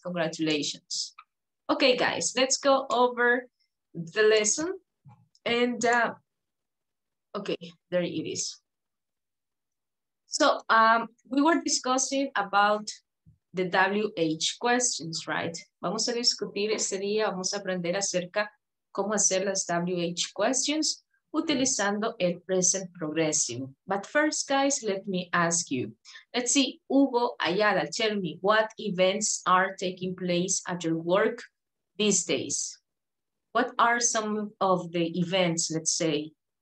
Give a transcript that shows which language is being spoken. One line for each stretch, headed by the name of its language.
English: Congratulations. Okay, guys, let's go over the lesson. And okay, there it is. So we were discussing about the WH questions, right?
Spanish: Vamos a discutir ese día, vamos a aprender acerca cómo hacer las WH questions utilizando el present progressive.
English: But first, guys, let me ask you. Let's see, Hugo Ayala, tell me, what events are taking place at your work these days? What are some of the events, let's say?